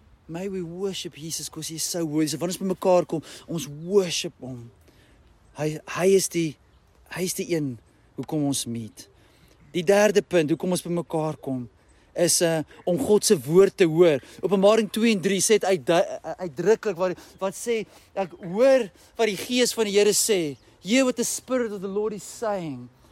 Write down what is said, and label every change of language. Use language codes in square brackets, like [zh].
[en] May we worship Jesus because he is so worthy. [af] Wanneer ons by mekaar kom, ons worship hom. Hy is die een hoekom ons meet. Die derde punt hoekom ons by mekaar kom is om God se woord te hoor. Openbaring 2 en 3 sê dit uitdruklik wat sê ek hoor wat die gees van die Here sê. [en] Hear what the spirit of the Lord is saying.